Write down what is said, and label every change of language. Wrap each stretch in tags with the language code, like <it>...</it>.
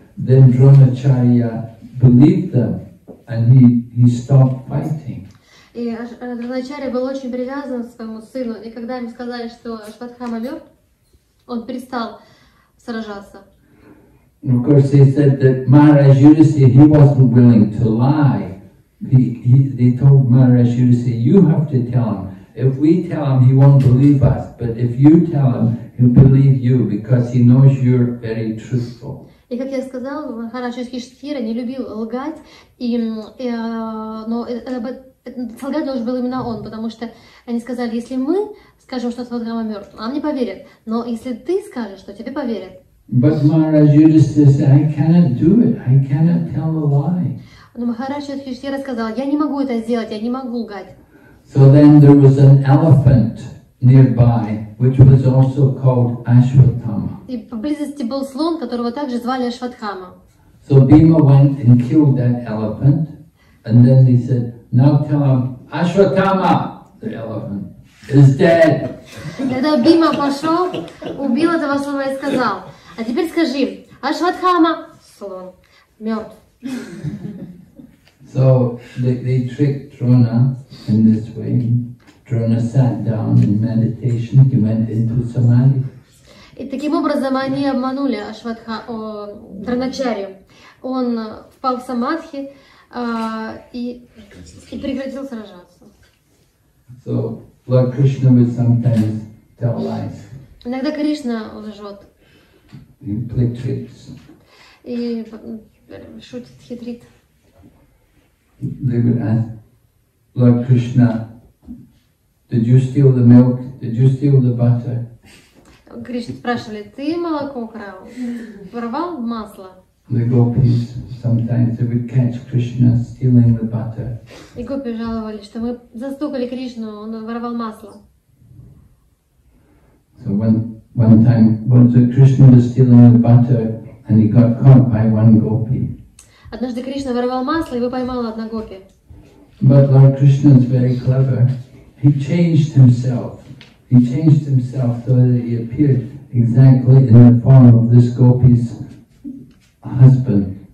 <en>then Dronacharya believed them, and he stopped fighting.</en> <ru>И Дроначарья был очень привязан к своему сыну, и когда им сказали, что Ашватхама мертв, он перестал сражаться.</ru> <en>Of course, they said that Maharaj Yudhisthira, he wasn't willing to lie. They told Maharaj Yudhisthira, you have to tell him. If we tell him, he won't believe us. But if you tell him, he'll believe you, because he knows you're very truthful.</en> <ru>И как я сказала, Махарадж Юдхиштхира не любил лгать, солгать должен был именно он, потому что они сказали, если мы скажем, что Ашватхама мертв, нам не поверят, но если ты скажешь, что тебе поверят.</ru> <en>But Maharaj Yudhisthira said, I cannot do it. I cannot tell a lie.</en> <ru>Но Махарадж Юдхиштхира сказал, я не могу это сделать, я не могу лгать.</ru> <en>So then there was an elephant nearby, which was also called Ashwatthama.</en> <ru>И поблизости был слон, которого также звали Ашватхама.</ru> <en>So Bhima went and killed that elephant, and then he said, now tell him, Ashwatthama, the elephant, is dead.</en> <ru>Когда Бима пошел, убил этого слона и сказал, а теперь скажи, Ашватхама, слон, мертв.</ru> <en>So they tricked Drona in this way. Drona sat down in meditation. He went into samadhi.</en> <ru>И таким образом они обманули Дроначарью. Он впал в самадхи и прекратил сражаться.</ru> <en>So Lord Krishna would sometimes tell lies.</en> <ru>Иногда Кришна лжет.</ru> <en>He play tricks.</en> <ru>И шутит, хитрит.</ru> <en>They would ask, Lord Krishna, did you steal the milk? Did you steal the butter?</en> <ru>Кришна спрашивали, ты молоко украл? Воровал масло?</ru> <en>The gopis sometimes they would catch Krishna stealing the butter.</en> <ru>И гопи жаловали, что мы застукали Кришну, он воровал масло.</ru> <en>So one time, once Krishna was stealing the butter, and he got caught by one gopi.</en> <ru>Однажды Кришна воровал масло, и его поймала одна гопи.</ru> <en>But Lord Krishna is very clever. He changed himself. He changed himself so that he appeared exactly in the form of this gopi's husband.</en>